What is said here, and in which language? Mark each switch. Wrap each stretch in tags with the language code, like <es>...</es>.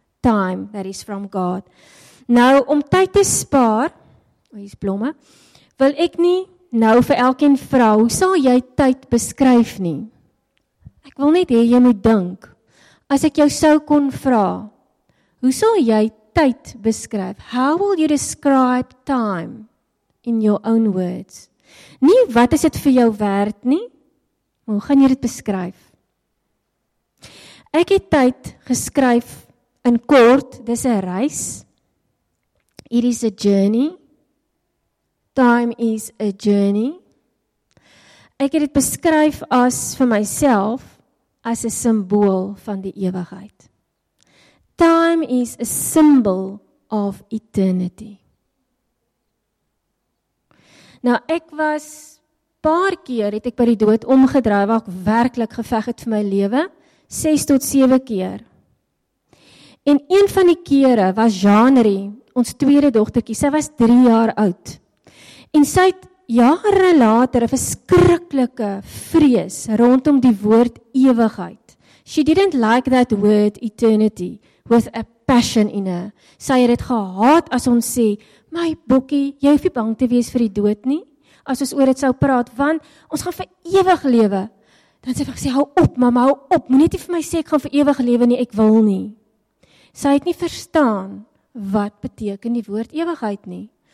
<en>Time that is from God.</en> <af>Nou, om tyd te spaar, hier is blomme, wil ek nie nou vir elkeen vra, hoe sal jy tyd beskryf nie? Ek wil net hê jy moet dink, as ek jou sou kon vra, hoe sal jy tyd beskryf?</af> <en>How will you describe time in your own words?</en> <af>Nie wat is dit vir jou werd nie, maar hoe gaan jy dit beskryf? Ek het tyd geskryf in kort, dis 'n reis.</af> <en>It is a journey. Time is a journey.</en> <af>Ek het dit beskryf as vir myself, as 'n simbool van die ewigheid.</af> <en>Time is a symbol of eternity.</en> <af>Nou, ek was, paar keer het ek by die dood omgedraai, waar ek werklik geveg het vir my lewe, 6 tot 7 keer. En een van die kere was Janery, ons 2de dogtertjie, sy was 3 jaar oud. En sy het jare later, 'n verskriklike vrees rondom die woord ewigheid.</af> <en>She didn't like that word eternity with a passion in her.</en> <af>Sy het gehaat as ons sê, my bokkie, jy hoef nie bang te wees vir die dood nie, as ons oor dit sou praat, want ons gaan vir ewig lewe. Dan sê sy vir gesê, hou op, mama, hou op, moenie vir my sê, ek gaan vir ewig lewe nie, ek wil nie. Sy het nie verstaan wat beteken die woord ewigheid nie.</af>